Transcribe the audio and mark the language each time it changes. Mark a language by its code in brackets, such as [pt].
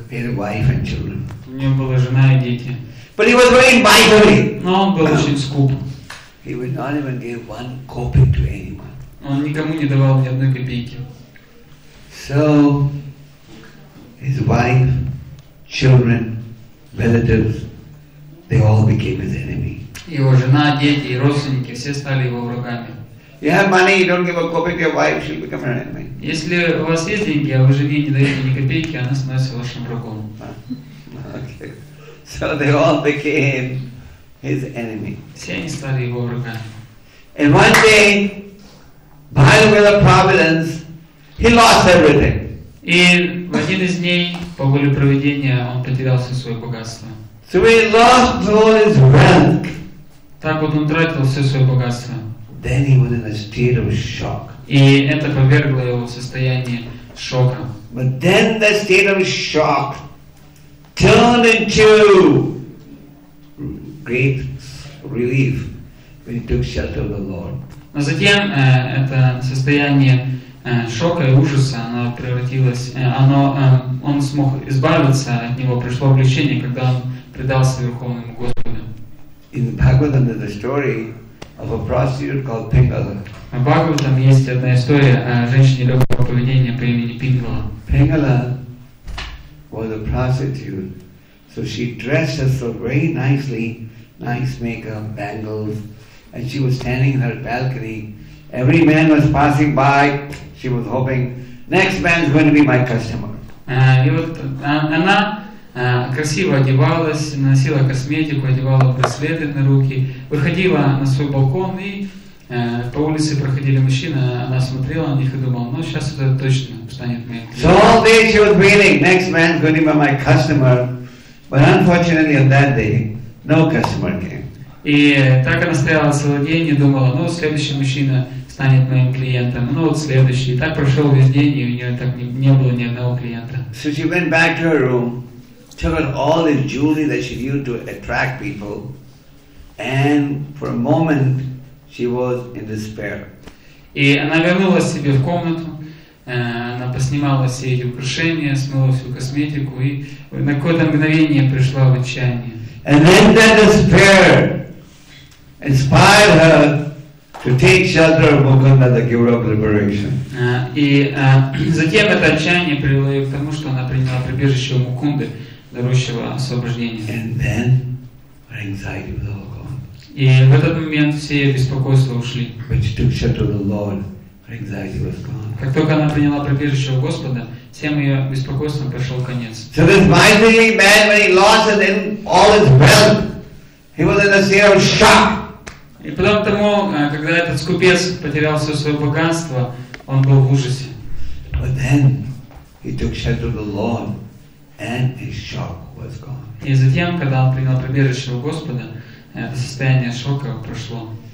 [en] He had a wife and children. [ru] У него была жена и дети. [en] But he was very miserly. [ru] Но он был очень скуп. [en] He would not even give one copeck to anyone. [ru] Он никому не давал ни одной копейки. [en] So his wife, children, relatives, they all became his enemy. [ru] Его жена, дети и родственники все стали его врагами. [en] You have money, you don't give a copeck to your wife, she'll become your enemy. [ru] Если у вас есть деньги, а вы жене не даете ни копейки, она становится вашим врагом. [en] Okay. So they all became his enemy. [ru] Все они стали его врагами. [en] And one day, by the will of providence, he lost everything. [ru] И в один из дней, по воле провидения, он потерял все свое богатство. [en] So he lost all his wealth. [ru] Так вот он тратил все свое богатство. [en] Then he was in a state of shock. [ru] И это повергло его в состояние шока. [en] But then the state of shock turned into great relief when he took shelter of the Lord. [ru] Но затем это состояние шока и ужаса, оно превратилось, он смог избавиться от него, пришло облегчение, когда он предался Верховному Господу. [en] In Bhagavatam there's a story of a prostitute called Pingala. [ru] В Бхагаватам есть одна история о женщине легкого поведения по имени Пингала. [en] Pingala was a prostitute, so she dressed herself very nicely, nice makeup, bangles, and she was standing in her balcony. Every man was passing by. She was hoping next man is going to be my customer. [ru] И вот она красиво одевалась, носила косметику, одевала браслеты на руки, выходила на свой балкон и по улице проходили мужчины. Она смотрела на них и думала: ну сейчас это точно станет моим клиентом. [en] So all day she was waiting. Next man is going to be my customer, but unfortunately on that day no customer came. [ru] И так она стояла целый день и думала: ну следующий мужчина станет моим клиентом. Ну вот следующий. И так прошел весь день, и у нее так не было ни одного клиента. [en] So she went back to her room, took out all the jewelry that she used to attract people, and for a moment she was in despair. [ru] И она вернулась себе в комнату, она поснимала все эти украшения, смыла всю косметику, и на какое-то мгновение пришла в отчаяние. [en] And then that despair inspired her to take shelter of Mukunda, the giver of liberation. [ru] И затем это отчаяние привело ее к тому, что она приняла прибежище у Мукунды, дарующего освобождение. [en] And then her anxiety was all gone. [ru] И в этот момент все ее беспокойства ушли. [en] When she took shelter of the Lord, her anxiety was gone. [ru] Как только она приняла прибежище у Господа, всем ее беспокойствам пришел конец. [en] So this miserly man, when he lost all his wealth, he was in a state of shock. [ru] И потом тому, когда этот скупец потерял все свое богатство, он был в ужасе. [en] But then he took shelter of the Lord, and his shock was gone. [ru] И затем, когда он принял прибежище у Господа, это состояние шока прошло.